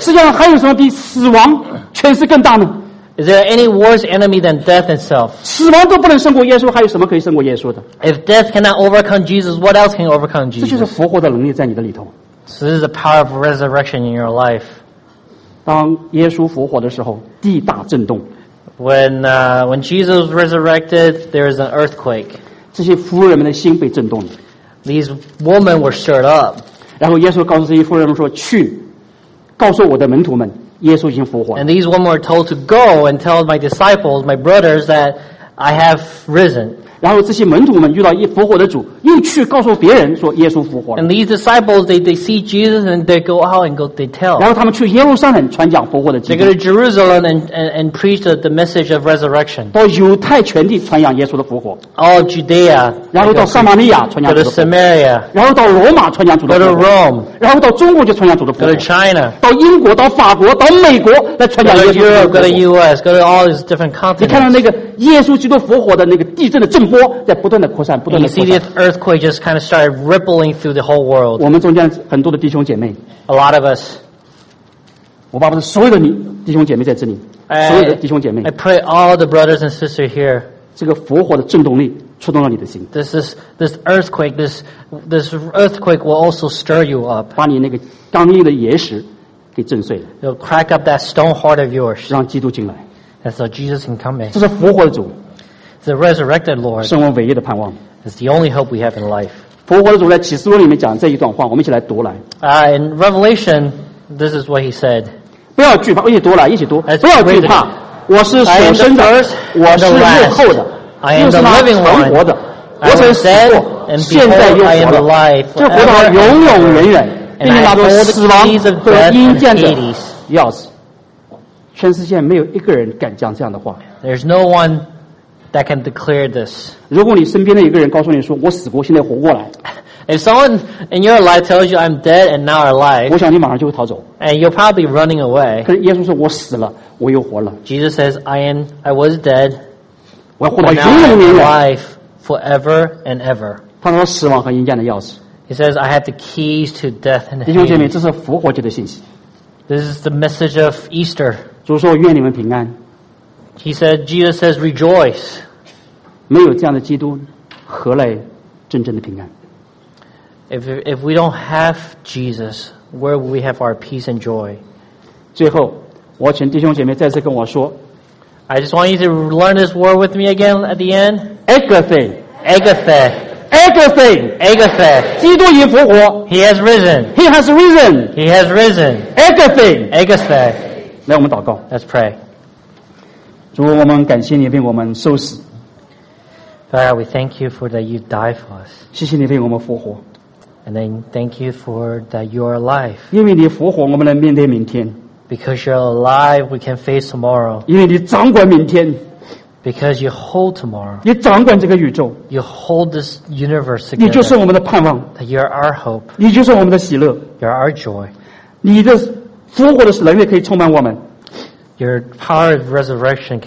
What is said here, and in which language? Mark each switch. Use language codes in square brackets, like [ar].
[zh] 世界上还有什么比死亡权势更大呢？ [en] Is there any worse enemy than death itself? [zh] 死亡都不能胜过耶稣，还有什么可以胜过耶稣的？ [en] If death cannot overcome Jesus, what else can overcome Jesus? [zh] 这就是复活的能力在你的里头。 [en] So this is the power of resurrection in your life. [zh] 当耶稣复活的时候，地大震动。 [en] When Jesus was resurrected, there is an earthquake. [zh] 这些妇人们的心被震动了。 [en] These women were stirred up. [zh] 然后耶稣告诉这些妇人们说：“去，告诉我的门徒们。” 耶稣已经复活了。 [en] And these women were told to go and tell my disciples, my brothers, that I have risen. [zh] 然后这些门徒们遇到一复活的主，又去告诉别人说耶稣复活了。 [en] And these disciples, they see Jesus and they go out and go they tell. [zh] 然后他们去耶路撒冷传讲复活的基督。 [en] They go to Jerusalem and preach the message of resurrection. [zh] 到犹太全地传扬耶稣的复活。 [en] All of Judea. [zh] 然后到撒玛利亚传扬主的复活。 [en] Go to Samaria. [zh] 然后到罗马传扬主的复活。 [en] Go to Rome. [zh] 然后到中国就传扬主的复活。 [en] Go to China. [zh] 到英国、到法国、到美国来传扬耶稣的复活。 [en] Go to Europe. Go to US. Go to all these different continents. [zh] 你看到那个耶稣基督复活的那个地震的震波在不断的扩散，不断的扩散。 [en] And you see this earthquake just kind of started rippling through the whole world. [zh] 我们中间很多的弟兄姐妹。 [en] A lot of us. [zh] 我爸爸的所有的弟兄姐妹在这里。所有的弟兄姐妹。 [en] I pray all the brothers and sisters here. [zh] 这个复活的震动力触动了你的心。 [en] This earthquake will also stir you up. [zh] 把你那个刚硬的岩石给震碎了。 [en] It'll crack up that stone heart of yours. [zh] 让基督进来。 [en] And so Jesus can come in. [zh] 这是复活的主。 [en] The resurrected Lord. [zh] 是我们唯一的盼望。 [en] It's the only hope we have in life. [zh] 复活的主在启示录里面讲这一段话，我们一起来读来。 [en] In Revelation, this is what he said. [zh] 不要惧怕，一起读来，一起读。不要惧怕，我是所生的，我是幕后的，又是那存活的。我曾死过，现在又活了。这活的永永远远，并且拿着死亡和阴间的钥匙。全世界没有一个人敢讲这样的话。 [en] There's no one that can declare this. [zh] 如果你身边的一个人告诉你说，我死过，现在活过来。 [en] If someone in your life tells you I'm dead and now alive, [zh] 我想你马上就会逃走。 [en] And you're probably running away. [zh] 可是耶稣说，我死了，我又活了。 [en] Jesus says, I was dead. [zh] 我要活到永永远远。 [en] Life forever and ever. [zh] 他说死亡和阴间的钥匙。 [en] He says I have the keys to death and hell. [zh] 弟兄姐妹，这是复活节的信息。 [en] This is the message of Easter. [zh] 主说愿你们平安。 [en] He said, Jesus says, rejoice. [zh] 没有这样的基督，何来真正的平安？ [en] If we don't have Jesus, where will we have our peace and joy? [zh] 最后，我请弟兄姐妹再次跟我说。 [en] I just want you to learn this word with me again at the end. Agathe. Agathe. Agathe. Agathe. [zh] 基督已复活。 [en] He has risen. He has risen. He has risen. Agathe. Agathe. [zh] 来，我们祷告。 [en] Let's pray. [zh] 主，我们感谢你为我们受死。 [en] Father, we thank you for that you died for us. [zh] 谢谢你为我们复活。 [en] And then thank you for that you are alive. [zh] 因为你复活，我们能面对明天。 [en] Because you're alive, we can face tomorrow. [zh] 因为你掌管明天。 [en] Because you hold tomorrow. [zh] 你掌管这个宇宙。 [en] You hold this universe together. [zh] 你就是我们的盼望。 [en] That you are our hope. [zh] 你就是我们的喜乐。 [en] You are our joy. [zh] 你的复活的能力可以充满我们。 [en] Your power of resurrection can